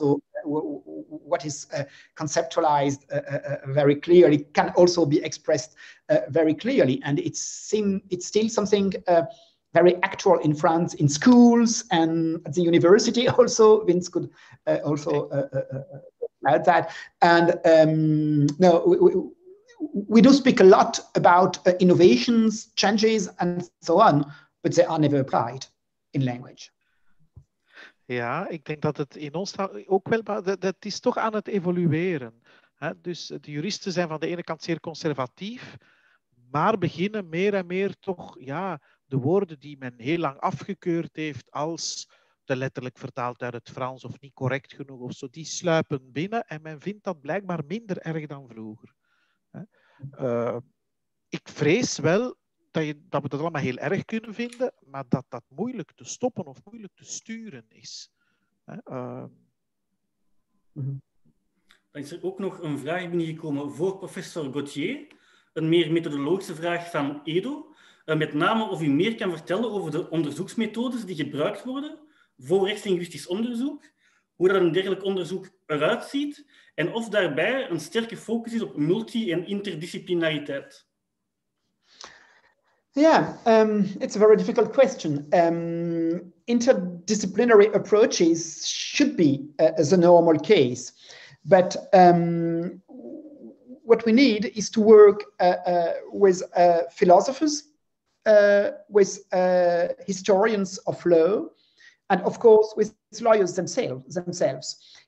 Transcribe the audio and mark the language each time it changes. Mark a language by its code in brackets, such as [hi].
[en] So what is conceptualized very clearly can also be expressed very clearly, and it's still something very actual in France, in schools and at the university also. Vince could also add that. And we do speak a lot about innovations, changes and so on, but they are never applied in language. [nl] Ja, ik denk dat het in ons ook wel, dat is toch aan het evolueren. Hè? Dus de juristen zijn van de ene kant zeer conservatief, maar beginnen meer en meer toch, ja, de woorden die men heel lang afgekeurd heeft als te letterlijk vertaald uit het Frans of niet correct genoeg of zo, die sluipen binnen en men vindt dat blijkbaar minder erg dan vroeger. Ik vrees wel dat we dat allemaal heel erg kunnen vinden, maar dat dat moeilijk te stoppen of moeilijk te sturen is. Dan is er ook nog een vraag binnengekomen voor professor Gauthier, een meer methodologische vraag van Edo. Met name of u meer kan vertellen over de onderzoeksmethodes die gebruikt worden voor rechtslinguïstisch onderzoek, hoe dat een dergelijk onderzoek eruit ziet en of daarbij een sterke focus is op multi- en interdisciplinariteit. [en] Yeah, it's a very difficult question. Interdisciplinary approaches should be the normal case, but what we need is to work with philosophers, with historians of law, and of course with lawyers themselves.